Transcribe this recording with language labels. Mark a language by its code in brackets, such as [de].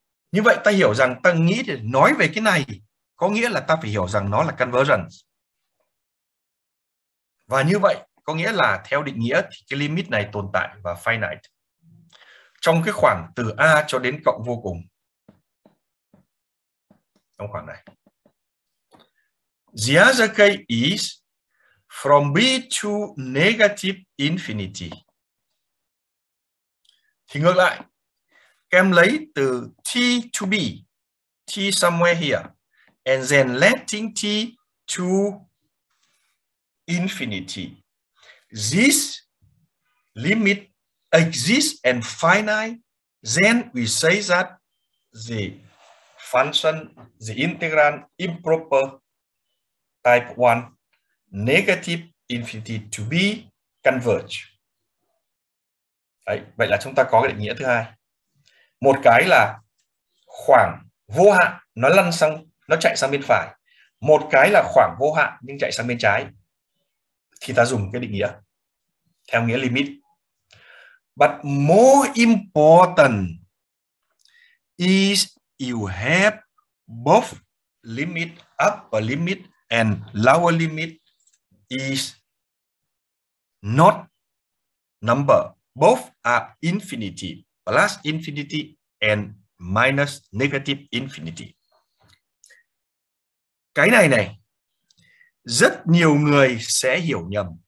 [vi] Như vậy ta hiểu rằng ta nghĩ để nói về cái này có nghĩa là ta phải hiểu rằng nó là convergence. Và như vậy có nghĩa là theo định nghĩa thì cái limit này tồn tại và finite trong cái khoảng từ A cho đến cộng vô cùng. Trong khoảng này. [en] The other case is from B to negative infinity. [vi] Thì ngược lại, các em lấy từ [en] T to B, T somewhere here, and then letting T to infinity. This limit exists and finite, then we say that the function, the integrand improper type 1, negative infinity to be converge. [vi] Đấy, vậy là chúng ta có cái định nghĩa thứ hai. Một cái là khoảng vô hạn, nó lăn sang, nó chạy sang bên phải. Một cái là khoảng vô hạn nhưng chạy sang bên trái. Thì ta dùng cái định nghĩa theo nghĩa limit. [en] But more important is you have both limit, upper limit and lower limit is not number. Both are infinity, plus infinity and minus negative infinity. [vi] Cái này này, rất nhiều người sẽ hiểu nhầm.